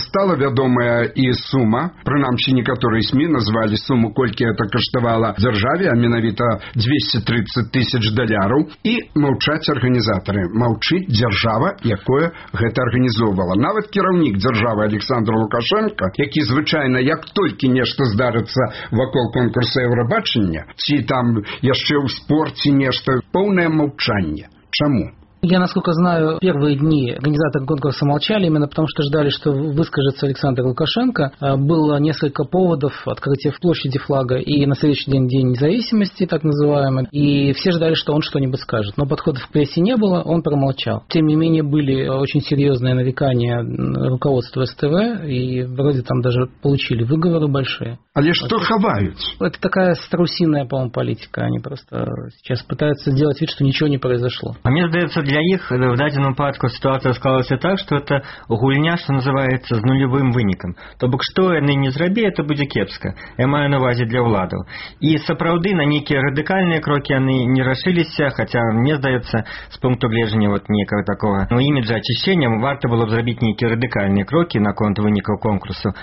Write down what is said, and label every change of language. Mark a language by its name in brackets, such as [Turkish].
[Belarusian] Стала вядомая і сума, прынамсі некаторыя СМІ назвалі суму, колькі гэта каштавала дзяржаве, а менавіта 230 тысяч даляраў, і маўчаць арганізатары, маўчыць дзяржава, якое гэта арганізоўвала. Нават кіраўнік дзяржавы Александр Лукашэнка, які звычайна, як толькі нешта здарыцца вакол конкурса Еўрабачання, бачення, ці там яшчэ ў спорце нешта, поўнае маўчанне. Чаму? [Russian] Я, насколько знаю, первые дни организаторы конкурса молчали, именно потому что ждали, что выскажется Александр Лукашенко. Было несколько поводов открытия в площади флага и на следующий день День независимости, так называемый. И все ждали, что он что-нибудь скажет. Но подходов к прессе не было, он промолчал. Тем не менее, были очень серьезные нарекания руководства СТВ, и вроде там даже получили выговоры большие. А лишь что хавают? Это такая страусиная, по-моему, политика. Они просто сейчас пытаются сделать вид, что ничего не произошло. А мне кажется, [Belarusian] для іх в дадзеным выпадку сітуацыя склалася так, што гэта гульня, што называецца, з нулявым вынікам. То бок, што яны не зрабі, [Russian] это [Belarusian] будзе кепска. Я маю на ўвазе для ўладаў. І сапраўды на нейкія радыкальныя крокі яны не рашыліся, хаця мне здаецца, з пункту гледжання вот некага такога, ну, іміджа ачышчэння, варта было б зрабіць нейкія радыкальныя крокі наконт вынікаў конкурсу.